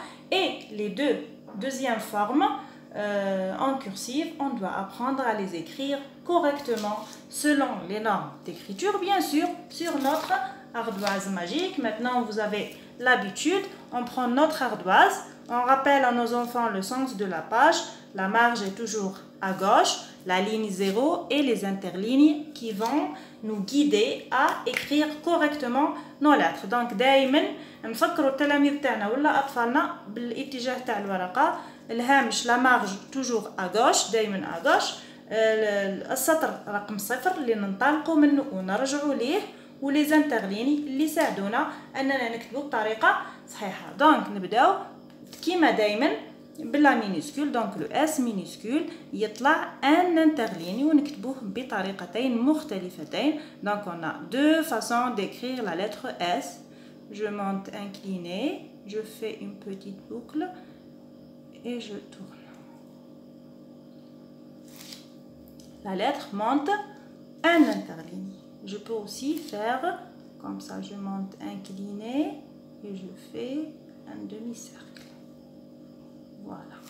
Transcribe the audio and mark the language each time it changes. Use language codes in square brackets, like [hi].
[fr] Et les deuxième forme, en cursive, on doit apprendre à les écrire correctement selon les normes d'écriture, bien sûr, sur notre ardoise magique. Maintenant, vous avez l'habitude, on prend notre ardoise, on rappelle à nos enfants le sens de la page, la marge est toujours à gauche, la ligne 0 et les interlignes qui vont nous guider à écrire correctement nos lettres. [ar] Donc, daïmen, نفكروا التلاميذ تاعنا ولا اطفالنا بالاتجاه تاع الورقه، الهامش [fr] لا مارج توجور اغوش، [ar] دائما اغوش، السطر رقم صفر اللي ننطلقوا منه ونرجعوا ليه، ولي زانترليني اللي ساعدونا اننا نكتبوا بطريقه صحيحه. دونك نبداو كيما دائما بلا مينيسكول، دونك لو اس مينيسكول يطلع ان انترليني ونكتبوه بطريقتين مختلفتين. [fr] دونك اون دو فاسون ديكريغ لا لتر اس. Je monte incliné, je fais une petite boucle et je tourne. La lettre monte un interligne. Je peux aussi faire comme ça, je monte incliné et je fais un demi-cercle. Voilà.